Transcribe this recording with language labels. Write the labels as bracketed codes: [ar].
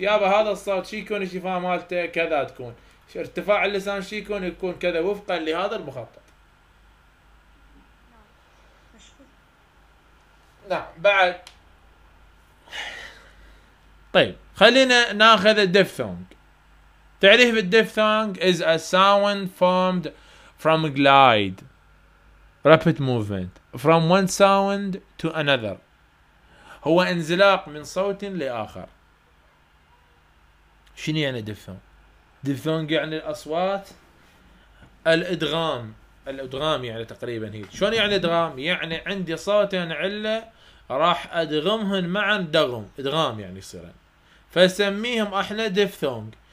[ar] يابا هذا الصوت شي يكون الشفاه مالته كذا، تكون ارتفاع اللسان شي يكون، يكون كذا وفقا لهذا المخطط. نعم بعد. طيب خلينا ناخذ الديفثونج. تعريف الديفثونج [en] is a sound formed from glide rapid movement from one sound to another. [ar] هو انزلاق من صوت لآخر. شنو يعني ديفثونج؟ ديفثونج يعني الأصوات الإدغام، الإدغام يعني تقريبا هي. شلون يعني إدغام؟ يعني عندي صوتين علة راح أدغمهن معا دغم، إدغام يعني يصيرن، فسميهم أحنا ديفثونج.